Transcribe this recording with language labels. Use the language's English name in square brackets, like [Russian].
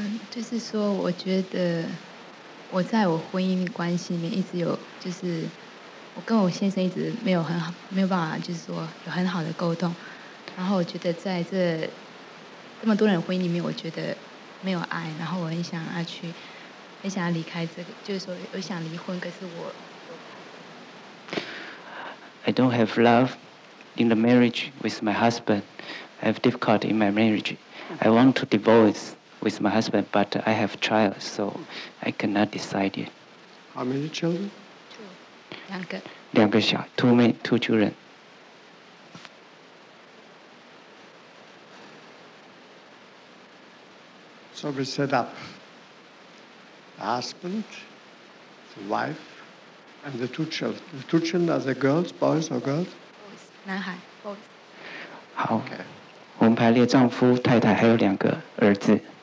[Chinese] 就是说，我觉得我在我婚姻关系里面一直有，就是我跟我先生一直没有很好，没有办法，就是说有很好的沟通。然后我觉得在这么多人的婚姻里面，我觉得。没有爱，然后我很想要去，很想要离开这个，就是说，我想离婚，可是我。 [English] I don't have love in the marriage with my husband. I have difficulty in my marriage. I want to divorce with my husband, but I have child, so I cannot decide yet. How many children? Two. [Chinese] 两个。两个小 [English] two children. So we set up the husband, the wife, and the two children. The two children are the girls, boys or girls? Boys, [Chinese] 男孩 [English] boys. [Chinese] 好，我们排列丈夫、太太还有两个儿子。